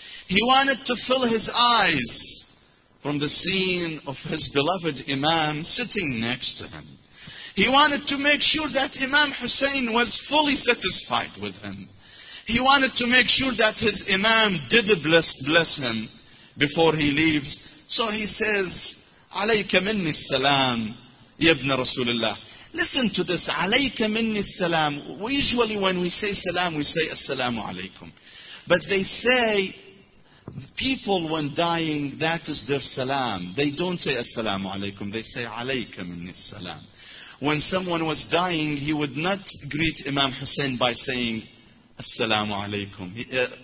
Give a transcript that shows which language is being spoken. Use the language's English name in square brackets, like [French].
[English] He wanted to fill his eyes from the scene of his beloved Imam sitting next to him. He wanted to make sure that Imam Hussein was fully satisfied with him. He wanted to make sure that his Imam did bless him before he leaves. So he says, [Arabic] عَلَيْكَ مِنِّي السَّلَامِ يَبْنَ رَسُولِ اللَّهِ. [English] Listen to this, [Arabic] عَلَيْكَ مِنِّي السَّلَامِ. [English] Usually when we say salam, we say assalamu alaykum. But they say, people when dying, that is their salam. They don't say assalamu alaikum. They say [Arabic] alayka minni salam. [English] When someone was dying, he would not greet Imam Hussein by saying assalamu alaikum.